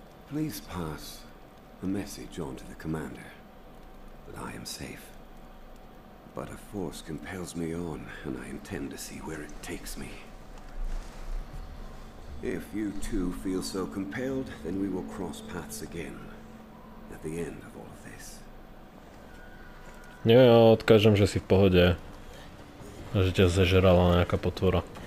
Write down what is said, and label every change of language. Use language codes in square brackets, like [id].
[en] Please pass a message on to the commander that I am safe. But a force compels me on, and I intend to see where it takes me. If you too feel so compelled, then we will cross paths again at the end of all of this. [sk] Nie, ja odkážem, že si v pohode. Že ťa zežerala nejaká potvora.